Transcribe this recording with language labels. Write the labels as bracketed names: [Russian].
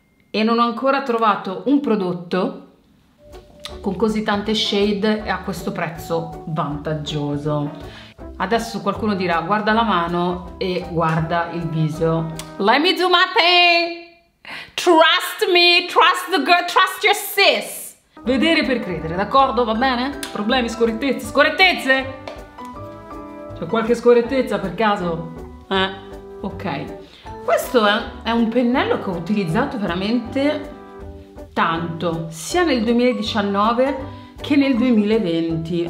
[Italian] E non ho ancora trovato un prodotto con così tante shade e a questo prezzo vantaggioso. Adesso qualcuno dirà: guarda la mano e guarda il viso. [English] Let me do my thing. Trust me, trust the girl, trust your sis. [Italian] Vedere per credere, d'accordo? Va bene? Problemi, scorrettezze, scorrettezze? C'è qualche scorrettezza per caso? Ok. Questo è un pennello che ho utilizzato veramente tanto, sia nel 2019 che nel 2020.